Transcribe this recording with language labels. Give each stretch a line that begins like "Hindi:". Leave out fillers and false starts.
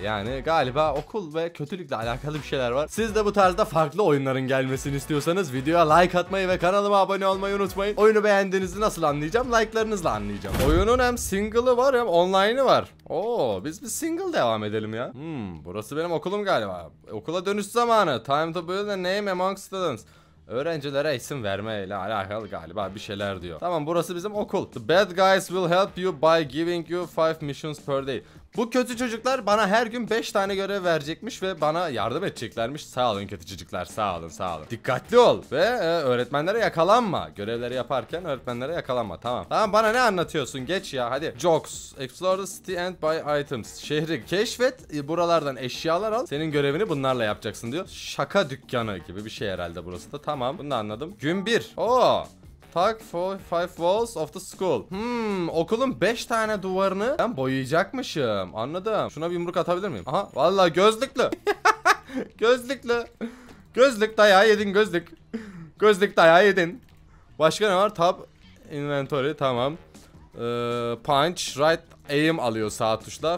Turkish: Yani galiba okul ve kötülükle alakalı bir şeyler var. Siz de bu tarzda farklı oyunların gelmesini istiyorsanız videoya like atmayı ve kanalıma abone olmayı unutmayın. Oyunu beğendiğinizi nasıl anlayacağım? Like'larınızla anlayacağım. Oyunun hem single'ı var hem online'ı var. Oo, biz bir single devam edelim ya. Burası benim okulum galiba. Okula dönüş zamanı.
English: Time to build a name among students.
Turkish: Öğrencilere isim vermeyle alakalı galiba bir şeyler diyor. Tamam, burası bizim okul.
English: The bad guys will help you by giving you 5 missions per day.
Turkish: Bu kötü çocuklar bana her gün 5 tane görev verecekmiş ve bana yardım edeceklermiş. Sağ olun kötü çocuklar, sağ olun, sağ olun. Dikkatli ol ve öğretmenlere yakalanma. Görevleri yaparken öğretmenlere yakalanma, tamam. Tamam, bana ne anlatıyorsun? Geç ya, hadi.
English: Jokes, explore the city and buy items.
Turkish: Şehri keşfet, buralardan eşyalar al. Senin görevini bunlarla yapacaksın diyor. Şaka dükkanı gibi bir şey herhalde burası da. Tamam, bunu da anladım. Gün 1. Oo.
English: Talk for 5 walls of the school.
Turkish: Okulun 5 tane duvarını ben boyayacakmışım. Anladım. Şuna bir yumruk atabilir miyim? Aha, vallahi gözlüklü. Gözlüklü. Gözlük dayağı yedin gözlük. Gözlük dayağı yedin. Başka ne var?
English: Top inventory, tamam. Punch, right aim
Turkish: alıyor sağ tuşla.